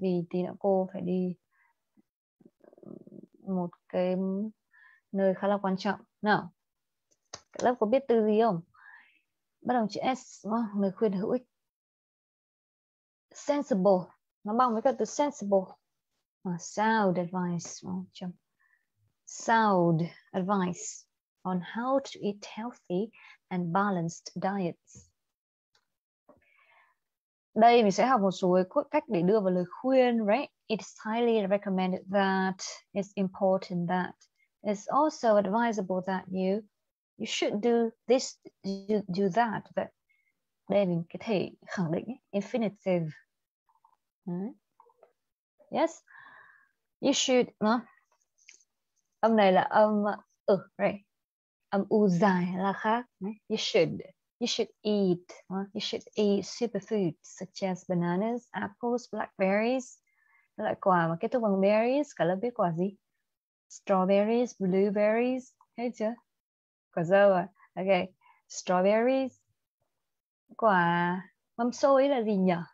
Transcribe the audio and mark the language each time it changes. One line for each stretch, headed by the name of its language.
Vietnamese: Vì tí nữa cô phải đi một cái nơi khá là quan trọng. Nào, cả lớp có biết từ gì không? Bắt đầu chữ S, lời khuyên hữu ích. Sensible. Nó bằng với cả từ sensible.
English: Sound advice. Sound advice on how to eat healthy and balanced diets.
Vietnamese: Đây mình sẽ học một số cách để đưa vào lời khuyên, right?
English: It's highly recommended that, it's important that, it's also advisable that you should do this, do that.
Vietnamese: But đây mình có thể khẳng định infinitive.
English: Yes, you should. No?
Vietnamese: Âm này là âm ừ,
English: right?
Vietnamese: Âm u dài là khác.
English: You should. You should eat. You should eat superfoods such as bananas, apples, blackberries.
Vietnamese: Loại quả mà kết thúc bằng berries. Cả lớp biết quả gì? Strawberries, blueberries. Thấy chưa? Quả dâu à? Okay. Strawberries. Quả mâm xôi là gì nhỉ?